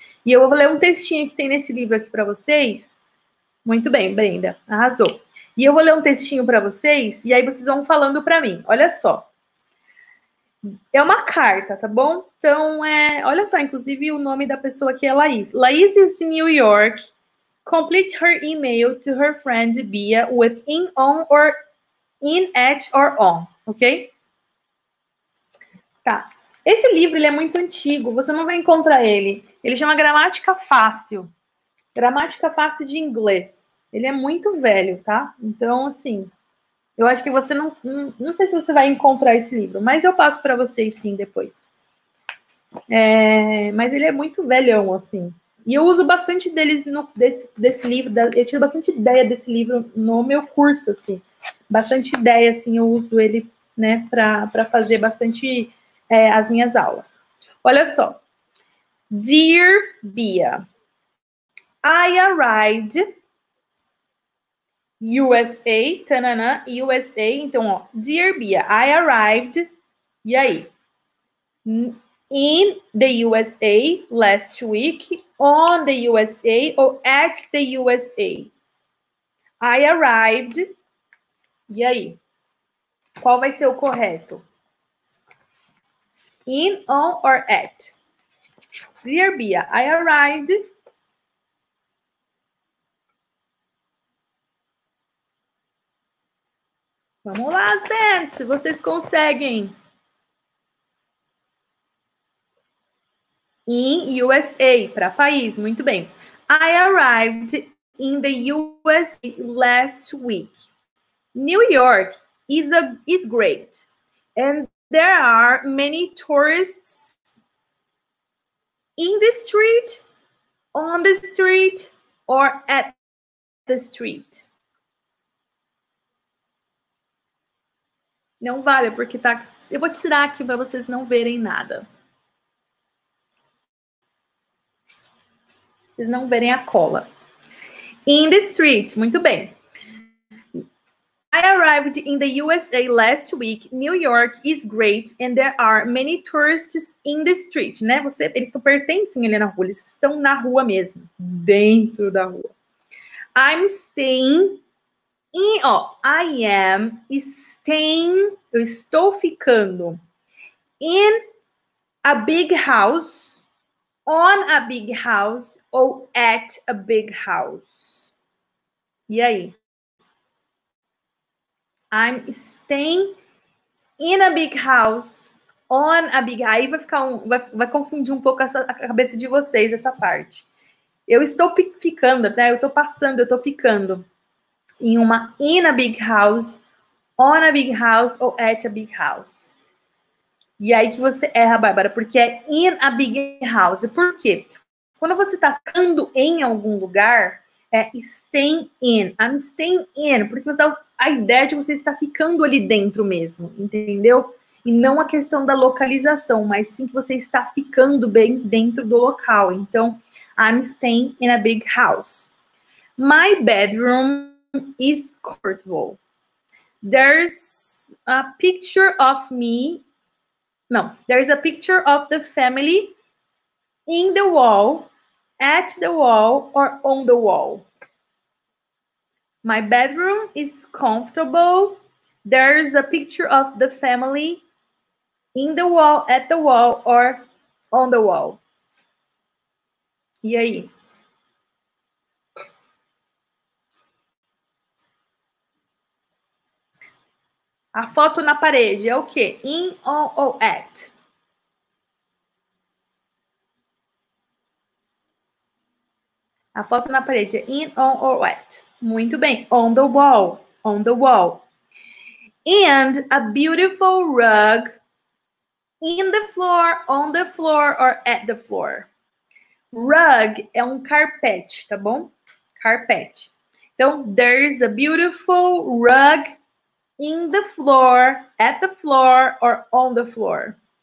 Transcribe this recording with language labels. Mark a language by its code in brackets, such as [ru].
[pt] E eu vou ler um textinho que tem nesse livro aqui para vocês. Muito bem, Brenda, arrasou. E eu vou ler um textinho para vocês e aí vocês vão falando para mim. Olha só. É uma carta, tá bom? Então, olha só, inclusive o nome da pessoa aqui é Laís. [en] Laís is in New York. Complete her email to her friend Bia with in on or in at or on, ok? [pt] Tá. Esse livro, ele é muito antigo, você não vai encontrar ele. Ele chama Gramática Fácil. Gramática Fácil de Inglês. Ele é muito velho, tá? Então, assim. Eu acho que você não sei se você vai encontrar esse livro, mas eu passo para vocês sim depois. Mas ele é muito velhão assim. E eu uso bastante deles no desse livro. Eu tiro bastante ideia desse livro no meu curso assim. Bastante ideia assim eu uso ele, né, para fazer bastante as minhas aulas. Olha só, [en] Dear Bia, I arrived. USA, [pt] tananã, [en] USA. [pt] Então, ó, [en] Dear Bia, I arrived. [pt] E aí? [en] In the USA last week, on the USA or at the USA? I arrived. [pt] E aí? Qual vai ser o correto? [en] In, on or at? Dear Bia, I arrived. [pt] Vamos lá, gente. Vocês conseguem? [en] In USA, [pt] para país, muito bem. [en] I arrived in the USA last week. New York is great, and there are many tourists in the street, on the street, or at the street. [pt] Não vale, porque tá. Eu vou tirar aqui para vocês não verem nada. Vocês não verem a cola. [en] In the street, [pt] muito bem. [en] I arrived in the USA last week. New York is great and there are many tourists in the street, [pt] né? Eles estão pertencem ali na rua, eles estão na rua mesmo, dentro da rua. [en] I'm staying. I am staying, [pt] eu estou ficando [en] in a big house, on a big house [pt] ou [en] at a big house. [pt] E aí? [en] I'm staying in a big house, on a big. [pt] Aí vai ficar vai confundir um pouco a cabeça de vocês essa parte. Eu estou ficando, né? Eu estou passando, eu estou ficando. Em uma [en] in a big house, [pt] on a big house ou at a big house. E aí que você erra, Bárbara, porque é [en] in a big house. [pt] Por quê? Quando você está ficando em algum lugar, é [en] staying in. I'm staying in, [pt] porque você dá a ideia de você estar ficando ali dentro mesmo, entendeu? E não a questão da localização, mas sim que você está ficando bem dentro do local. [en] Então, I'm staying in a big house. My bedroom is comfortable. There's a picture of me. No, there's a picture of the family in the wall At the wall or on the wall? My bedroom is comfortable. There's a picture of the family in the wall, at the wall or on the wall. [pt] E aí? A foto na parede é o quê? [en] In, on [pt] ou [en] at? [pt] A foto na parede é [en] in, on [pt] ou [en] at? [pt] Muito bem. [en] On the wall. On the wall. And a beautiful rug in the floor, on the floor or at the floor. [pt] Rug é um carpete, tá bom? Carpete. Então, [en] there's a beautiful rug in the floor, at the floor or on the floor.